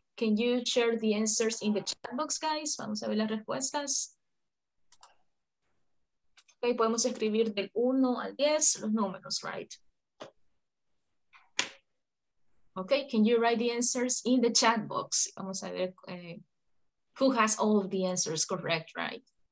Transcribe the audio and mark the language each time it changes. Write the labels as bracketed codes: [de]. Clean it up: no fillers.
[en] Can you share the answers in the chat box, guys? [es] Vamos a ver las respuestas. Okay, podemos escribir del 1 al 10 los números, right? [en] Okay, can you write the answers in the chat box? [es] Vamos a ver [en] who has all of the answers correct, right?